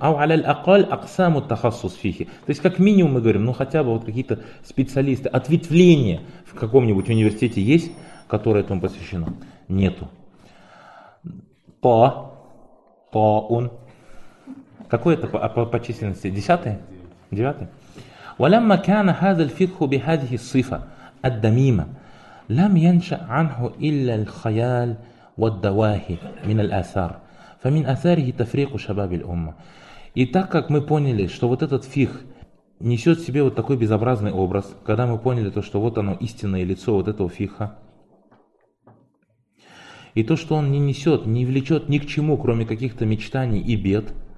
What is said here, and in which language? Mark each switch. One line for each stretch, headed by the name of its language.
Arabic: أَوْ عَلَى الْأَقَلْ أَقْسَامُ التَّخَصُّصِ فِيهِ.
Russian: То есть, как минимум, мы говорим, ну хотя бы вот какие-то специалисты, ответвления в каком-нибудь университете есть, которое этому посвящено? Нету. طَاءٌ. Какой это по численности? Десятый? Девятый?
Arabic: وَلَمَّا كَانَ هَذَا الْفِقْهُ بِهَذِهِ الصِّفَةِ الدَّمِيمَ لم ينشأ عنه إلا الخيال والدواهي من الآثار. فمن آثاره تفريق شباب الأمة.
Russian: И так как мы поняли, что вот этот фих несет в себе вот такой безобразный образ, когда мы поняли то, что вот оно истинное лицо вот этого фиха, и то, что он не несет, не влечет ни к чему, кроме каких-то мечтаний и бед,